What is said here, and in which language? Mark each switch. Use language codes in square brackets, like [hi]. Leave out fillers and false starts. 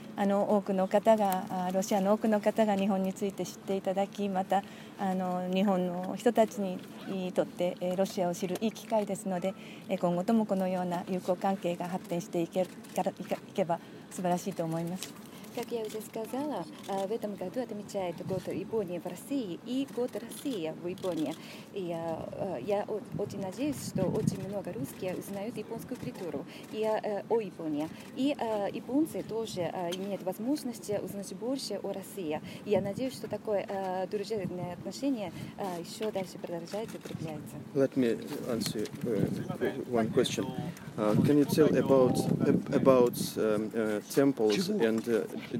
[ja] 多くの方がロシアの多くの方が日本について知っていただき、また日本の人たちにとってロシアを知るいい機会ですので、今後ともこのような友好関係が発展していけば素晴らしいと思います。 [ru] Как я уже сказала, в этом году отмечают год Японии в России и год России в Японии. И я очень надеюсь, что очень много русских узнают японскую культуру и о Японии. И японцы тоже имеют возможность узнать больше о России. И я надеюсь, что такое дружественное отношение еще дальше продолжается и укрепляется. [en] Let me answer one question. Can you tell about temples and